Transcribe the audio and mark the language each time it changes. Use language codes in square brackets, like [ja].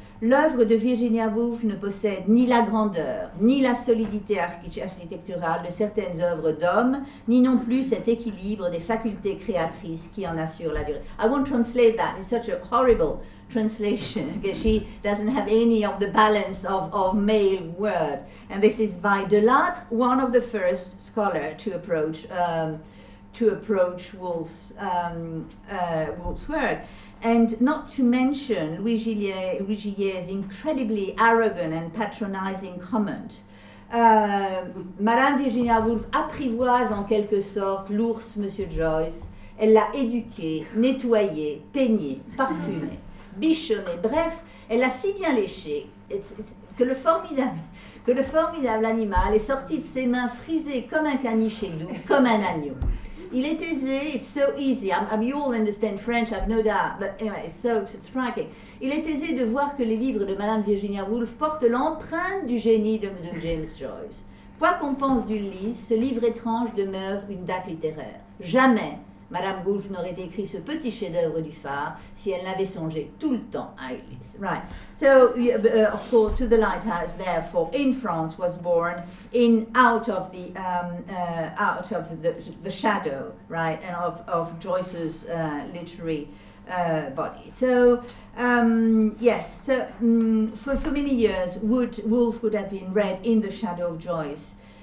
[fr] L'œuvre de Virginia Woolf ne possède ni la grandeur, ni la solidité architecturale de certaines œuvres d'hommes, ni non plus cet équilibre des facultés créatrices qui en assure la durée. [en] I won't translate that. It's such a horrible translation. She doesn't have any of the balance of male words. And this is by Delattre, one of the first scholars to approach Woolf's work. And not to mention Louis Gillier's incredibly arrogant and patronizing comment. [fr] Madame Virginia Woolf apprivoise en quelque sorte l'ours Monsieur Joyce. Elle l'a éduqué, nettoyé, peigné, parfumé, bichonné. Bref, elle l'a si bien léché que le formidable animal est sorti de ses mains frisé comme un caniche et doux, comme un agneau. Il est aisé, [en] it's so easy. You all understand French, I've no doubt, but anyway, it's so striking. [fr] Il est aisé de voir que les livres de Madame Virginia Woolf portent l'empreinte du génie de James Joyce. Quoi qu'on pense d'Ulysse, ce livre étrange demeure une date littéraire. Jamais Madame Woolf n'aurait écrit ce petit chef-d'œuvre du phare si elle n'avait songé tout le temps à Ulysse. [en] Right. So, of course, To the Lighthouse, therefore, in France, was born in out of the shadow, right, and of Joyce's literary body. So, yes. So, for many years, Woolf would have been read in the shadow of Joyce.